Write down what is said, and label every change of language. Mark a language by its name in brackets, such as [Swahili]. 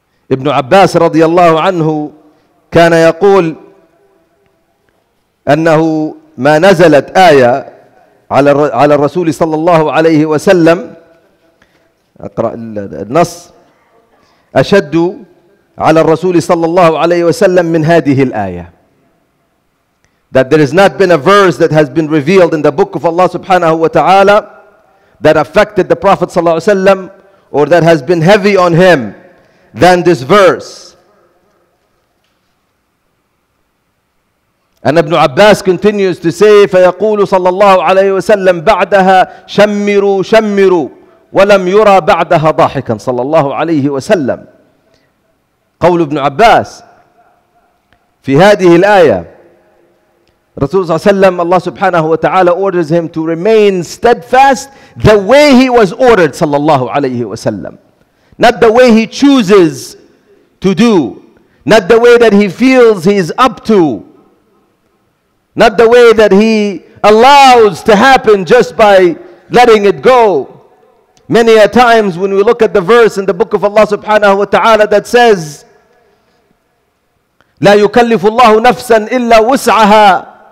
[Arabic] ابن عباس رضي الله عنه كان يقول أنه ما نزلت آية على الرسول صلى الله عليه وسلم، أقرأ النص، أشد على الرسول صلى الله عليه وسلم من هذه الآية. [English] That there has not been a verse that has been revealed in the book of Allah subhanahu wa ta'ala that affected the Prophet صلى الله عليه وسلم or that has been heavy on him than this verse. And Ibn Abbas continues to say, [Arabic] فيقول صلى الله عليه وسلم بعدها شمروا شمروا ولم يرى بعدها ضاحكا صلى الله عليه وسلم. قول ابن عباس في هذه الآية، رسول صلى الله عليه وسلم، الله سبحانه وتعالى [English] orders him to remain steadfast the way he was ordered [Arabic] صلى الله عليه وسلم. [English] Not the way he chooses to do. Not the way that he feels he is up to. Not the way that he allows to happen just by letting it go. Many a times when we look at the verse in the book of Allah subhanahu wa ta'ala that says, [Arabic] لا يكلف الله نفسا إلا وسعها.